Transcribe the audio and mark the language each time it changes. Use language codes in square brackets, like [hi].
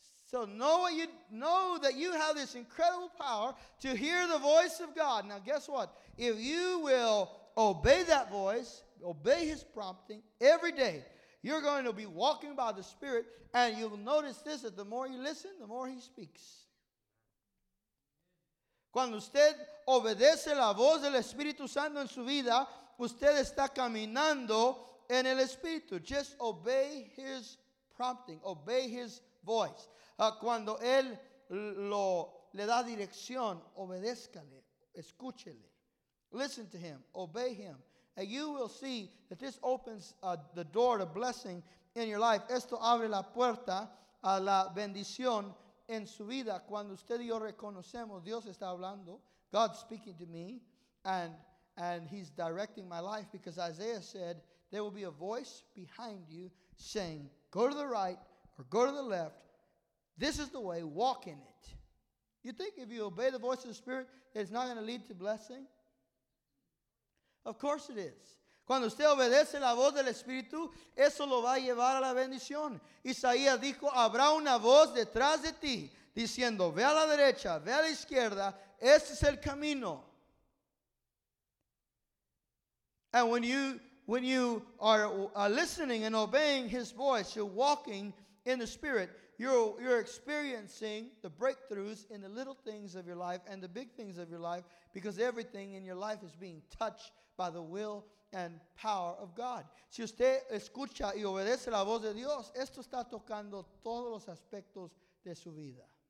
[en] So know that you have this incredible power to hear the voice of God. Now guess what? If you will obey that voice, obey his prompting every day, you're going to be walking by the Spirit, and you'll notice this, that the more you listen, the more he speaks. [es] Cuando usted obedece la voz del Espíritu Santo en su vida, usted está caminando en el Espíritu. [en] Just obey his prompting. Obey his voice. [es] Cuando él le da dirección, obedézcale, escúchele. [en] Listen to him, obey him. And you will see that this opens the door to blessing in your life. [es] Esto abre la puerta a la bendición en su vida. Cuando usted y yo reconocemos, Dios está hablando, [en] God's speaking to me, and he's directing my life, because Isaiah said, there will be a voice behind you saying, go to the right or go to the left. This is the way. Walk in it. You think if you obey the voice of the Spirit, it's not going to lead to blessing? Of course it is. [es] Cuando usted obedece la voz del Espíritu, eso lo va a llevar a la bendición. Isaías dijo, habrá una voz detrás de ti, diciendo, ve a la derecha, ve a la izquierda, ese es el camino. [en] And when you are listening and obeying his voice, you're walking in the Spirit, you're experiencing the breakthroughs in the little things of your life and the big things of your life, because everything in your life is being touched by the will and power of God. [es] Si usted escucha y obedece la voz de Dios, esto está tocando todos los aspectos de su vida.